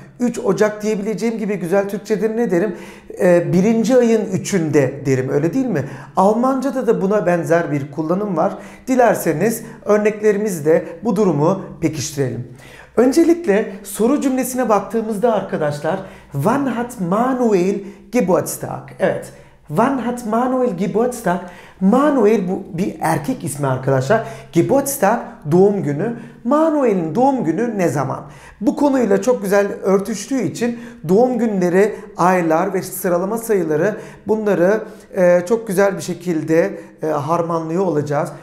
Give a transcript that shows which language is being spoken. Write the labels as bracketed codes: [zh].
[tr] 3 Ocak diyebileceğim gibi güzel Türkçe'de ne derim? Birinci ayın üçünde derim, öyle değil mi? Almanca'da da buna benzer bir kullanım var. Dilerseniz örneklerimizle bu durumu pekiştirelim. Öncelikle soru cümlesine baktığımızda arkadaşlar, [de] Wann hat Manuel Geburtstag? [tr] Evet. [de] Wann hat Manuel Geburtstag? [tr] Manuel bu bir erkek ismi arkadaşlar. Geburtstag doğum günü. Manuel'in doğum günü ne zaman? Bu konuyla çok güzel örtüştüğü için doğum günleri, aylar ve sıralama sayıları, bunları çok güzel bir şekilde harmanlıyor olacağız.